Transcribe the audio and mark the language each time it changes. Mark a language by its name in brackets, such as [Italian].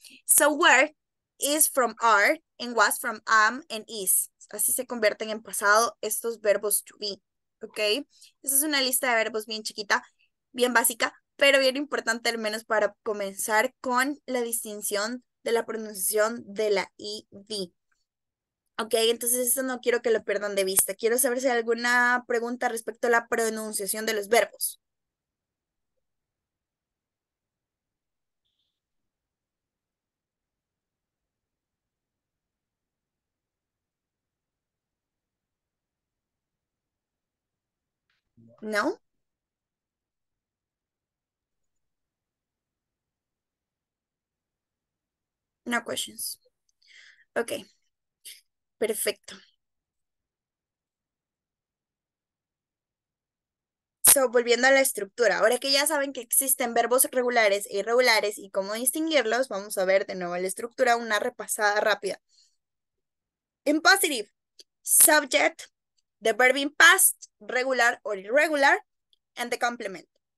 [English] So were is from are and was from am and is. [Spanish] Así se convierten en pasado estos verbos to be. ¿Ok? Esa es una lista de verbos bien chiquita, bien básica, pero bien importante al menos para comenzar con la distinción de la pronunciación de la ED. Ok, entonces esto no quiero que lo pierdan de vista. Quiero saber si hay alguna pregunta respecto a la pronunciación de los verbos. ¿No? [English] No questions. Ok. Perfecto. [Spanish] So, volviendo a la estructura. Ahora que ya saben que existen verbos regulares e irregulares y cómo distinguirlos, vamos a ver de nuevo la estructura, una repasada rápida. [English] In positive, subject, the verb in past, regular or irregular, and the complement.